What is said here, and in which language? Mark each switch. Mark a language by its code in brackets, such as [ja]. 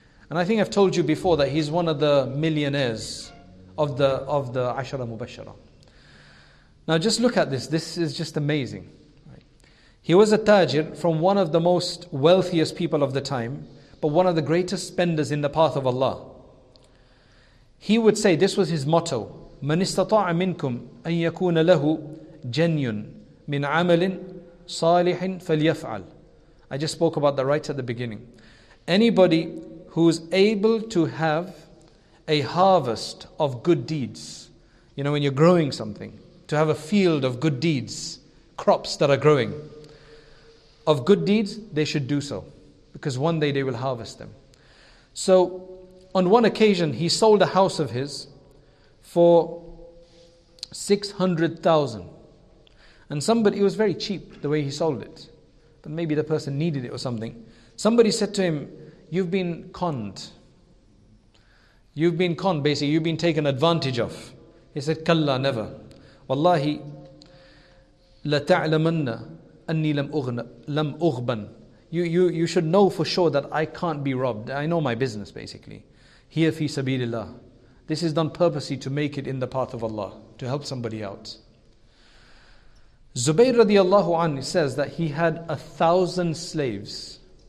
[en] And I think I've told you before that he's one of the millionaires of the Ashara Mubashara. Now just look at this. This is just amazing. He was a tajir from one of the most wealthiest people of the time, but one of the greatest spenders in the path of Allah. He would say, this was his motto, [ar] مَنْ اسْتَطَاعَ مِنْكُمْ أَنْ يَكُونَ لَهُ جَنْيٌ مِنْ عَمَلٍ صَالِحٍ فَلْيَفْعَلْ. [en] I just spoke about that right at the beginning. Anybody who is able to have a harvest of good deeds, you know, when you're growing something, to have a field of good deeds, crops that are growing, of good deeds, they should do so, because one day they will harvest them. So on one occasion, he sold a house of his for 600,000. And somebody, it was very cheap the way he sold it, but maybe the person needed it or something. Somebody said to him, you've been conned. You've been conned, basically. You've been taken advantage of. He said, kalla, never. [ar] Wallahi, لَتَعْلَمَنَّ أَنِّي لَمْ أُغْبَنْ. [en] You should know for sure that I can't be robbed. I know my business, basically. [ar] هِيَ فِي سَبِيلِ اللَّهِ. [en] This is done purposely to make it in the path of Allah, to help somebody out. Zubayr radiallahu anhu says that he had 1,000 slaves.